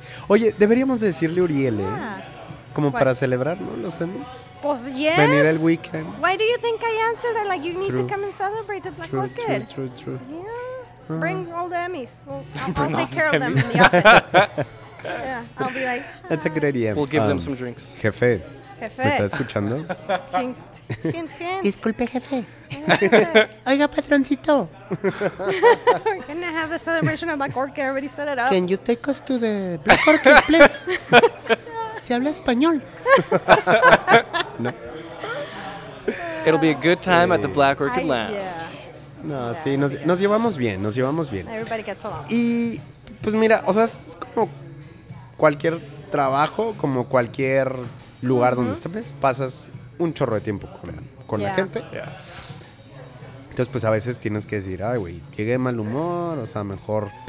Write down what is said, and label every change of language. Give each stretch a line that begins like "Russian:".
Spanish: Oye, deberíamos decirle a Uriel, como para celebrar, ¿no? Los semis. Pues, yes. Venir el weekend.
English: Why do you think I answered that? Like, you need to come and celebrate the Black Orchid. True. Yeah. Uh-huh. Bring all the Emmys. I'll take care of them in the office. Yeah, I'll be like... That's a good idea. We'll give them some drinks.
Spanish: Jefe. ¿Me está escuchando?
English: Hint.
Spanish: Disculpe, jefe. Oiga, patroncito.
English: We're going to have a celebration of Black Orchid. Everybody set it up. Can you take us to the Black Orchid, please?
Spanish: Se habla español.
English: No. It'll be a good time at the Black Orchid Lounge. Yeah.
Spanish: No, sí, nos llevamos bien, nos llevamos bien.
English: Everybody gets along.
Spanish: Y, pues mira, o sea, es como cualquier trabajo, como cualquier lugar donde estés, pasas un chorro de tiempo con la gente.
English: Yeah.
Spanish: Entonces, pues a veces tienes que decir, ay, güey, llegué de mal humor, o sea, mejor...